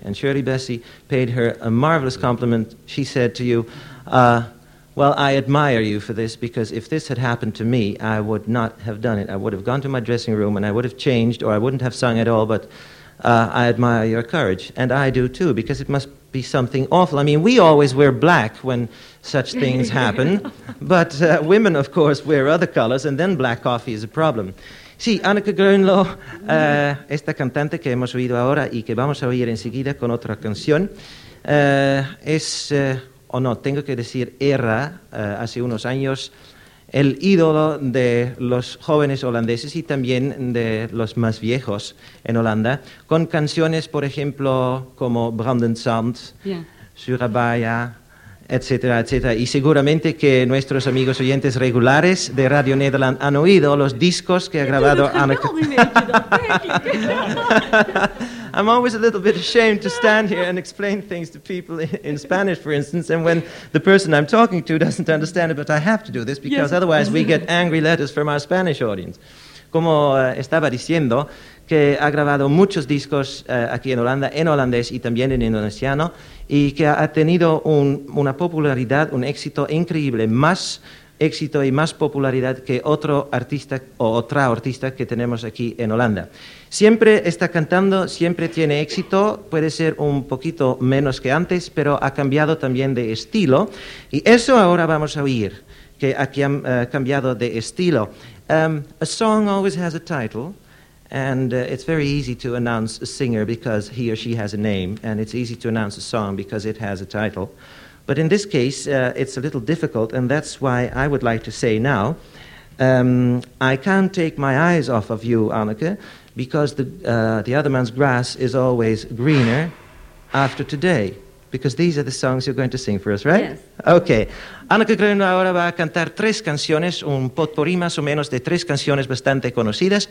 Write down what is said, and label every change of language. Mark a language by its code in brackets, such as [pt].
[en] And Shirley Bassey paid her a marvelous compliment. She said to you, I admire you for this, because if this had happened to me, I would not have done it. I would have gone to my dressing room, and I would have changed, or I wouldn't have sung at all, but I admire your courage. And I do, too, because it must be something awful. I mean, we always wear black when such things happen, but women, of course, wear other colors, and then black coffee is a problem. [es] Sí, Annika Grönlo, esta cantante que hemos oído ahora y que vamos a oír enseguida con otra canción, era hace unos años el ídolo de los jóvenes holandeses y también de los más viejos en Holanda, con canciones, por ejemplo, como Brandon Sand, Surabaya, etcétera, etcétera. Y seguramente que nuestros amigos oyentes regulares de Radio Nederland han oído los discos que ha grabado Annika. [en] I'm always a little bit ashamed to stand here and explain things to people in Spanish, for instance, and when the person I'm talking to doesn't understand it, but I have to do this because otherwise we get angry letters from our Spanish audience. [es] Como estaba diciendo, que ha grabado muchos discos aquí en Holanda, en holandés y también en indonesiano, y que ha tenido una popularidad, un éxito increíble, más éxito y más popularidad que otro artista o otra artista que tenemos aquí en Holanda. Siempre está cantando, siempre tiene éxito, puede ser un poquito menos que antes, pero ha cambiado también de estilo, y eso ahora vamos a oír, que aquí ha cambiado de estilo. [en] A song always has a title, and it's very easy to announce a singer because he or she has a name, and it's easy to announce a song because it has a title. But in this case, it's a little difficult, and that's why I would like to say now, I can't take my eyes off of you, Annika, because the other man's grass is always greener after today, because these are the songs you're going to sing for us, right? Yes. Okay. [es] Annika Grönlo ahora va a cantar tres canciones, un potpourri más o menos de tres canciones bastante conocidas.